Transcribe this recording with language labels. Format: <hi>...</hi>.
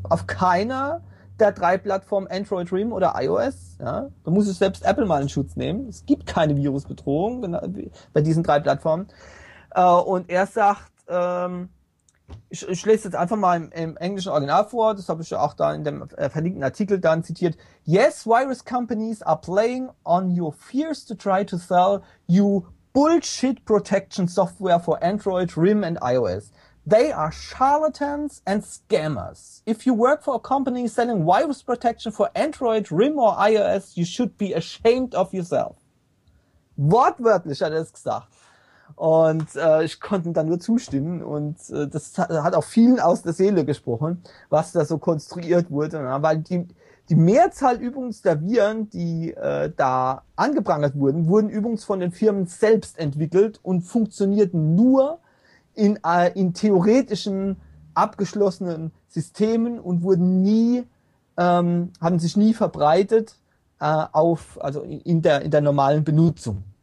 <de>Auf keiner der drei Plattformen Android, Rim oder iOS, ja. Da muss ich selbst Apple mal in Schutz nehmen. Es gibt keine Virusbedrohung bei diesen drei Plattformen. Und er sagt, Ich lese jetzt einfach mal im englischen Original vor, das habe ich ja auch da in dem verlinkten Artikel dann zitiert.</de> <en>Yes, virus companies are playing on your fears to try to sell you bullshit protection software for Android, RIM and iOS. They are charlatans and scammers. If you work for a company selling virus protection for Android, RIM or iOS, you should be ashamed of yourself.</en> <de>Wortwörtlich hat er es gesagt. Und ich konnte dann nur zustimmen und das hat auch vielen aus der Seele gesprochen, was da so konstruiert wurde, ja, weil die Mehrzahl übrigens der Viren, die da angeprangert wurden, wurden übrigens von den Firmen selbst entwickelt und funktionierten nur in theoretischen abgeschlossenen Systemen und wurden nie haben sich nie verbreitet in der normalen Benutzung.</de>